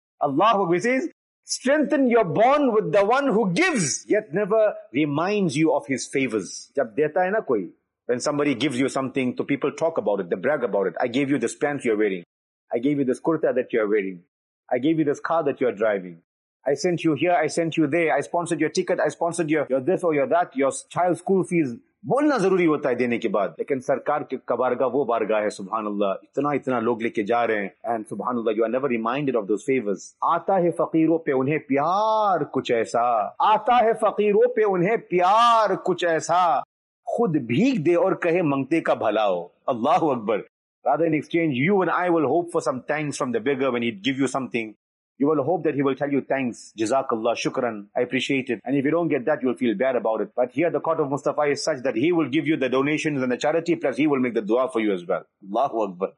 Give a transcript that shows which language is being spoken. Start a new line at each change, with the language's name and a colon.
English: Allah says, strengthen your bond with the one who gives, yet never reminds you of his favors.
Urdu: Jab deta hai na koi.
English: When somebody gives you something, to people talk about it, they brag about it. I gave you this pants you're wearing. I gave you this kurta that you're wearing. I gave you this car that you're driving. I sent you here, I sent you there. I sponsored your ticket, I sponsored your this or your that, your child's school fees,
Urdu: بولنا ضروری ہوتا ہے دینے کے بعد, لیکن سرکار کے کبارگاہ وہ بارگاہ ہے سبحان اللہ, اتنا اتنا لوگ لے کے جا رہے ہیں,
English: And سبحان اللہ you are never reminded of those favours.
Urdu: آتا ہے فقیروں پہ انہیں پیار کچھ ایسا, آتا ہے فقیروں پہ انہیں پیار کچھ ایسا, خود بھیگ دے اور کہے منگتے کا بھلا ہو.
Arabic: اللہ اکبر.
English: Rather in exchange, you and I will hope for some thanks from the beggar when he'd give you something. You will hope that he will tell you thanks, Jazakallah, Shukran, I appreciate it. And if you don't get that, you'll feel bad about it. But here the court of Mustafa is such that he will give you the donations and the charity, plus he will make the dua for you as well.
Arabic: Allahu Akbar.